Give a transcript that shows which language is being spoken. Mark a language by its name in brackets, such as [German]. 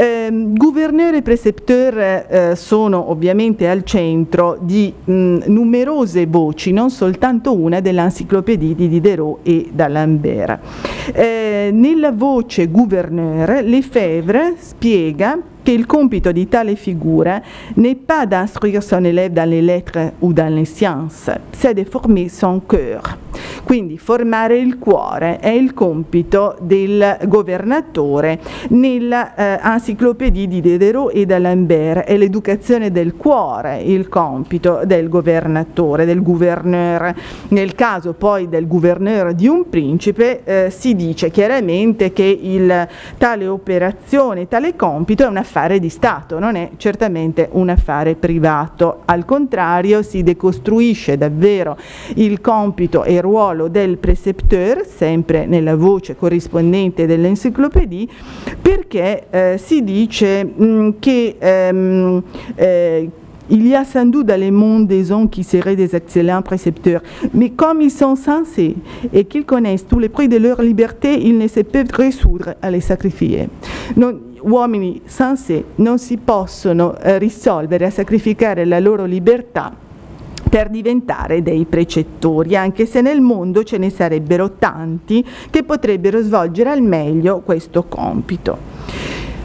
[Italian] Gouverneur e précepteur sono ovviamente al centro di numerose voci, non soltanto una, dell'Encyclopédie di Diderot e d'Alembert. Nella voce gouverneur, Lefebvre spiega che il compito di tale figura [French] n'est pas d'instruire son élève dans les lettres ou dans les sciences, c'est de former son cœur. [Italian] Quindi formare il cuore è il compito del governatore nell'enciclopedia di Diderot e d'Alembert, è l'educazione del cuore il compito del governatore, del gouverneur. Nel caso poi del gouverneur di un principe si dice chiaramente che tale operazione, tale compito è un affare di Stato, non è certamente un affare privato. Al contrario, si decostruisce davvero il compito e il ruolo del précepteur, sempre nella voce corrispondente dell'enciclopédie, perché si dice che [French] il y a sans doute dans le monde des hommes qui seraient des excellents précepteurs, mais comme ils sont sensés et qu'ils connaissent tous les prix de leur liberté, ils ne se peuvent résoudre à les sacrifier. [Italian] Non, uomini sensé non si possono risolvere a sacrificare la loro libertà per diventare dei precettori, anche se nel mondo ce ne sarebbero tanti che potrebbero svolgere al meglio questo compito.